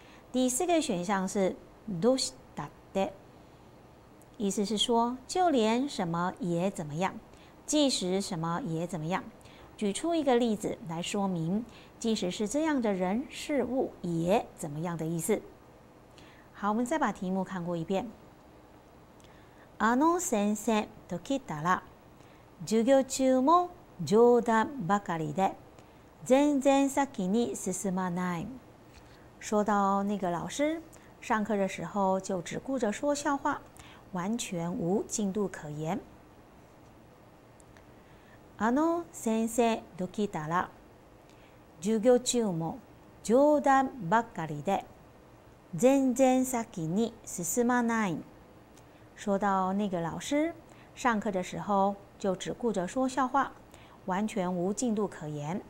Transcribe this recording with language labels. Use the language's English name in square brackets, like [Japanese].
[Chinese] 第四个选项是どうしたって，意思是说就连什么也怎么样，即使什么也怎么样。举出一个例子来说明，即使是这样的人事物也怎么样的意思。好，我们再把题目看过一遍。 [Japanese] あの先生と聞いたら、授業中も冗談ばかりで、全然先に進まない。 [Chinese] 说到那个老师，上课的时候就只顾着说笑话，完全无进度可言。 [Japanese] あの先生と聞いたら、授業中も冗談ばっかりで、全然先に進まない。 [Chinese] 说到那个老师，上课的时候就只顾着说笑话，完全无进度可言。